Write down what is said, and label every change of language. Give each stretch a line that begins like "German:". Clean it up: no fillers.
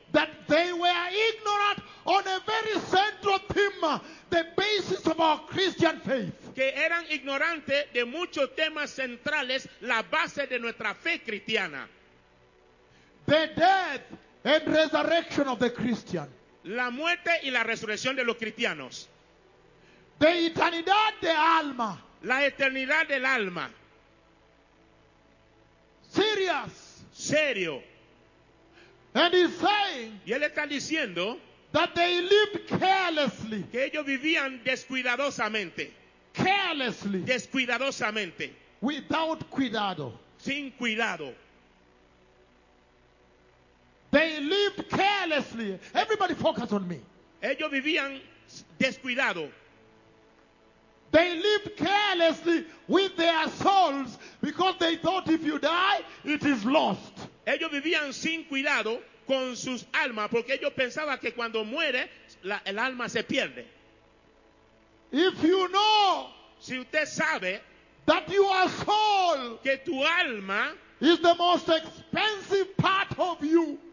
English: that they were ignorant on a very central theme, the basis of our Christian faith.
Spanish: Que eran ignorantes de muchos temas centrales, la base de nuestra fe cristiana.
English: The death and resurrection of the Christian.
Spanish: La muerte y la resurrección de los cristianos. De eternidad de alma. La eternidad del alma.
English: Serious.
Spanish: Serio.
English: And he's saying,
Spanish: y él está diciendo,
English: that they lived carelessly.
Spanish: Que ellos vivían descuidadosamente.
English: Carelessly.
Spanish: Descuidadosamente.
English: Without cuidado.
Spanish: Sin cuidado.
English: They lived carelessly. Everybody focus on me.
Spanish: Ellos vivían descuidado.
English: They lived carelessly with their souls because they thought if you die, it is lost.
Spanish: Ellos vivían sin cuidado con sus almas porque ellos pensaban que cuando muere, el alma se pierde.
English: If you know,
Spanish: si usted sabe,
English: that your soul,
Spanish: que tu alma,
English: is the most expensive part of you,